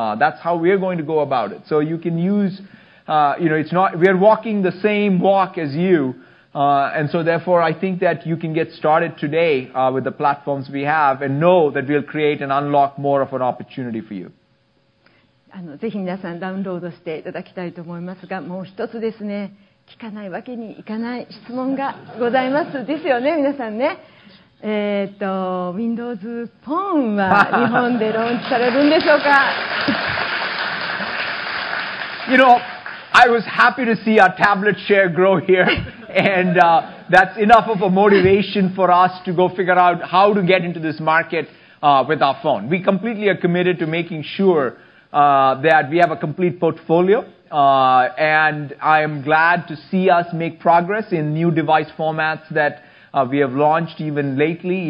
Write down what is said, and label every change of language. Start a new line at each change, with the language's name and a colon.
English: That's how we're going to go about it. So you can use, we're walking the same walk as you. And so therefore, I think that you can get started today with the platforms we have and know that we'll create and unlock more of an opportunity for you.
Japanese: ぜひ皆さんダウンロードしていただきたいと思いますが、もう一つですね、聞かないわけにいかない質問がございますですよね、皆さんね。 Windows Phone は日本でローンチされるんでしょうか？
English: You know, I was happy to see our tablet share grow here, and that's enough of a motivation for us to go figure out how to get into this market with our phone. We completely are committed to making sureThat we have a complete portfolio, and I am glad to see us make progress in new device formats that we have launched even lately.